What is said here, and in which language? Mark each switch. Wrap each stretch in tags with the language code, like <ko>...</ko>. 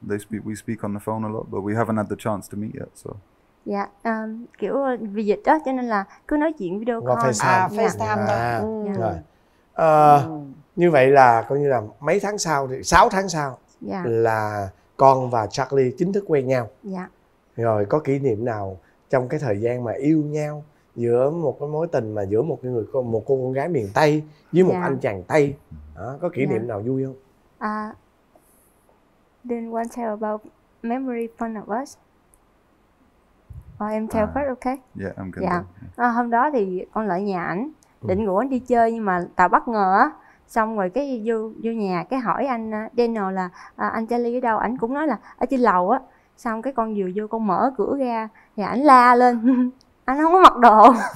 <en>We speak on the phone a lot, but we haven't had the chance to meet yet. So. Yeah.</en> <vi>Kiểu vì dịch đó, cho nên là cứ nói chuyện video call.</vi> <en>FaceTime.</en> <vi>Rồi. Như vậy là coi như là mấy tháng sau thì 6 tháng sau là con và Charlie chính thức quen nhau. Rồi có kỷ niệm nào trong cái thời gian mà yêu nhau giữa một cái mối tình mà giữa một cái người một cô con gái miền Tây với một anh chàng Tây, có kỷ niệm nào vui không?</vi> <en>Then one tell about memory fun of us.</en> <vi>Em</vi> <en>tell first, okay? Yeah, I'm good.</en> <vi>Hôm đó thì con lại nhà ảnh, định rủ anh đi chơi nhưng mà tao bất ngờ á. Xong rồi cái vô nhà cái hỏi anh Daniel là anh Charlie ở đâu, ảnh cũng nói là ở trên lầu á. Xong cái con vừa vô con mở cửa ra thì ảnh la lên. Anh không có mặc đồ.</vi>